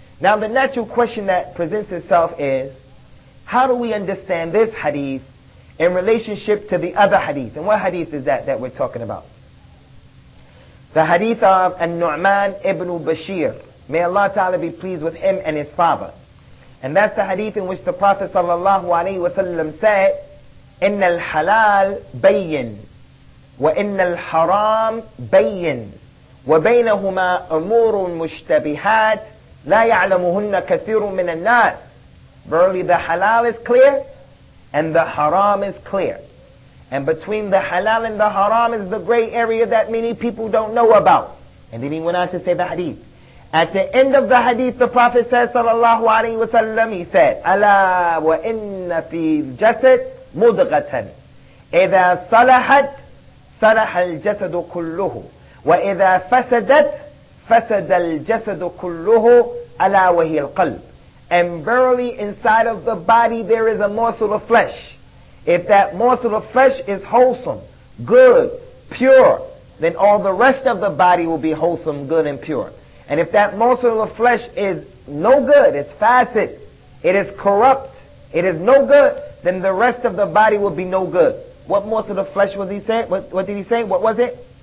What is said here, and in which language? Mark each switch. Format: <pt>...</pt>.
<en>Now the natural question that presents itself is, how do we understand this hadith in relationship to the other hadith? And what hadith is that we're talking about? The hadith of An-Nu'man ibn Bashir, may Allah Ta'ala be pleased with him and his father. And that's the hadith in which the Prophet sallallahu alayhi wa sallam said,</en> <ar>إِنَّ الْحَلَالِ بَيِّنْ وَإِنَّ الْحَرَامِ بَيِّنْ وَبَيْنَهُمَا أُمُورٌ مُشْتَبِهَاتٌ لَا يَعْلَمُهُنَّ كَثِيرٌ مِنَ النَّاسِ.</ar> <en>Verily the halal is clear and the haram is clear. And between the halal and the haram is the gray area that many people don't know about. And then he went on to say the hadith. At the end of the hadith, the Prophet says, sallallahu alayhi wa sallam, he said,</en> <ar>أَلَا وَإِنَّ فِي الْجَسَدْ مُدْغَةً إِذَا صَلَحَتْ صَلَحَ الْجَسَدُ كُلُّهُ وَإِذَا فَسَدَتْ فَسَدَ الْجَسَدُ كُلُّهُ أَلَا وَهِيَ الْقَلْبُ.</ar> <en>And verily inside of the body there is a morsel of flesh. If that morsel of flesh is wholesome, good, pure, then all the rest of the body will be wholesome, good, and pure. And if that morsel of flesh is no good, it's facet, it is corrupt, it is no good, then the rest of the body will be no good. What morsel of flesh was he saying? What did he say? What was it?</en>